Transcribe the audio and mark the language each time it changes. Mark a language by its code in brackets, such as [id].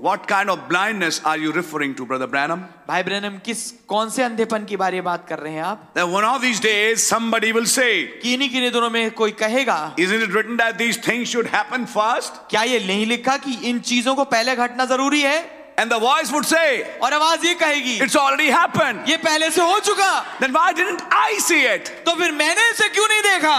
[en] What kind of blindness are you referring to, Brother Branham? [hi] भाई Branham किस कौन से अंधेपन की बारे बात कर रहे हैं आप? [en] That one of these days somebody will say. [hi] किन्हीं किन्हीं दिनों में कोई कहेगा. [en] Isn't it written that these things should happen first? [hi] क्या ये नहीं लिखा कि इन चीजों को पहले घटना जरूरी है? [en] And the voice would say. [hi] और आवाज ये कहेगी. [en] It's already happened. [hi] ये पहले से हो चुका. [en] Then why didn't I see it? [hi] तो फिर मैंने इसे क्यों नहीं देखा?